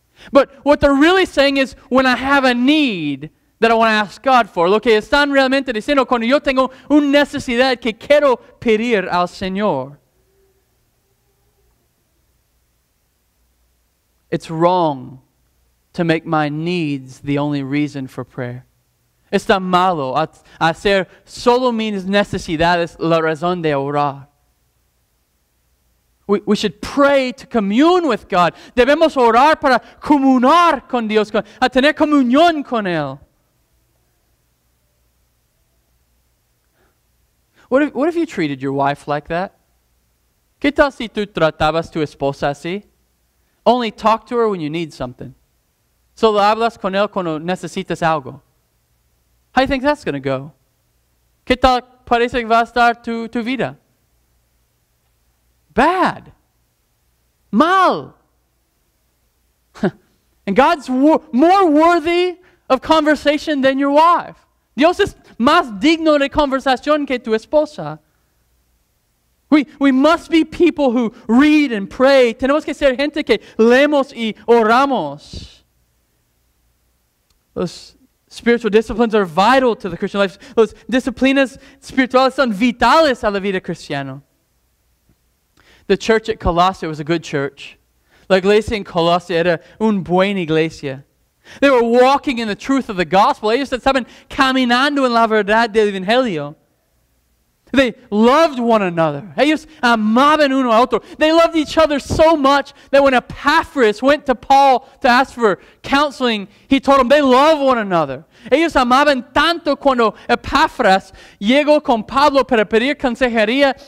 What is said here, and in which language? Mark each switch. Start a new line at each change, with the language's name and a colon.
English: But what they're really saying is when I have a need that I want to ask God for.
Spanish: Lo que están realmente diciendo cuando yo tengo una necesidad que quiero pedir al Señor.
English: It's wrong to make my needs the only reason for prayer.
Spanish: Está malo hacer solo mis necesidades la razón de orar.
English: We should pray to commune with God.
Spanish: Debemos orar para comunar con Dios, a tener comunión con Él.
English: What if you treated your wife like that?
Spanish: ¿Qué tal si tú tratabas tu esposa así?
English: Only talk to her when you need something.
Spanish: Solo hablas con él cuando necesitas algo.
English: How do you think that's going to go?
Spanish: ¿Qué tal parece que va a estar tu vida?
English: Bad.
Spanish: Mal.
English: And God's more worthy of conversation than your wife.
Spanish: Dios es más digno de conversación que tu esposa.
English: We must be people who read and pray.
Spanish: Tenemos que ser gente que leemos y oramos.
English: Those spiritual disciplines are vital to the Christian life. Those
Spanish: disciplinas espirituales son vitales a la vida cristiana.
English: The church at Colossae was a good church.
Spanish: La iglesia en Colossae era una buena iglesia.
English: They were walking in the truth of the gospel.
Spanish: Ellos estaban caminando en la verdad del evangelio.
English: They loved one another.
Spanish: Ellos amaban uno a otro.
English: They loved each other so much that when Epaphras went to Paul to ask for counseling, he told him they love one another.
Spanish: Ellos amaban tanto cuando Epaphras llegó con Pablo para pedir consejería.